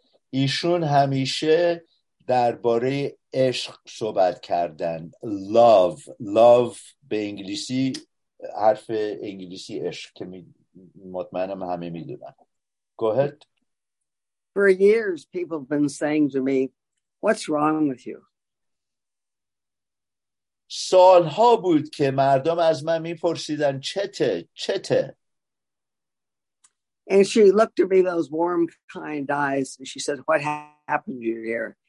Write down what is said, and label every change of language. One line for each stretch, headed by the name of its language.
Persian: ایشون همیشه درباره عشق صحبت کردن. Love به انگلیسی، حرف انگلیسی عشق که مطمئنم همه میدونن.
English: Go ahead. For years, people have been saying to me, "What's wrong with you?"
Persian: سالها بود که مردم از من میپرسیدن چته.
English: And she looked at me those warm, kind eyes, and she said, "What happened to your ear?"